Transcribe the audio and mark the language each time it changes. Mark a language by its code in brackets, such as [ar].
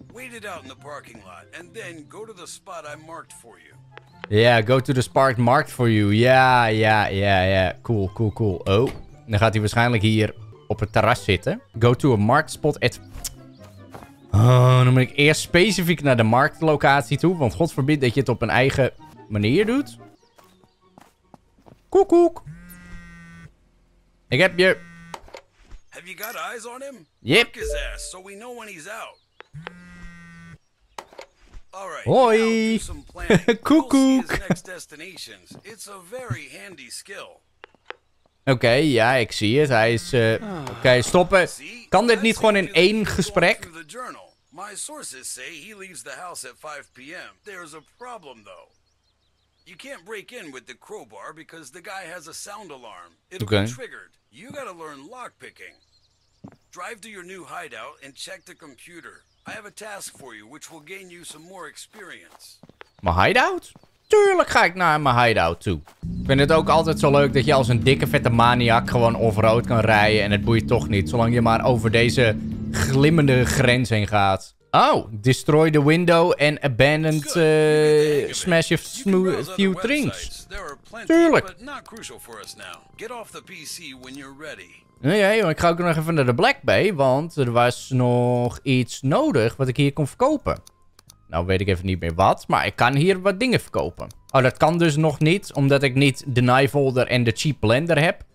[en] Wait it out in the parking lot and then go to the spot I marked for you. Yeah, go to the spot marked for you. Yeah, yeah, yeah, yeah. Cool, cool, cool. [nl] Oh, dan gaat hij waarschijnlijk hier op het terras zitten. [en] Go to a marked spot at... [nl] Oh, dan moet ik eerst specifiek naar de marktlocatie toe, want God verbiedt dat je het op een eigen manier doet. Koek, koek. Ik heb je... [en] Have you got eyes on him? Yep. Mark his ass so we know when he's out. All right. Hoi. Koekoek. Next destinations. It's a very handy skill. [nl] Oké, ja, ik zie het. Hij is oké, stoppen. Kan dit niet gewoon in één gesprek? [en] My sources say he leaves the house at 5 p.m. There's a problem though. You can't break in with the crowbar because the guy has a sound alarm. It'll be triggered. You got to learn lock picking. Drive to your new hideout and check the computer. I have a task for you, which will gain you some more experience. [nl] Mijn hideout? Tuurlijk ga ik naar mijn hideout toe. Ik vind het ook altijd zo leuk dat je als een dikke vette maniac gewoon off-road kan rijden. En het boeit toch niet, zolang je maar over deze glimmende grens heen gaat. [en] Oh, destroy the window and abandon smash a few drinks. Tuurlijk. But not crucial for us now. Get off the PC when you're ready. [nl] Nee, ja, joh, ik ga ook nog even naar de Black Bay, want er was nog iets nodig wat ik hier kon verkopen. Nou weet ik even niet meer wat, maar ik kan hier wat dingen verkopen. Oh, dat kan dus nog niet, omdat ik niet de Nifolder en de Cheap Blender heb.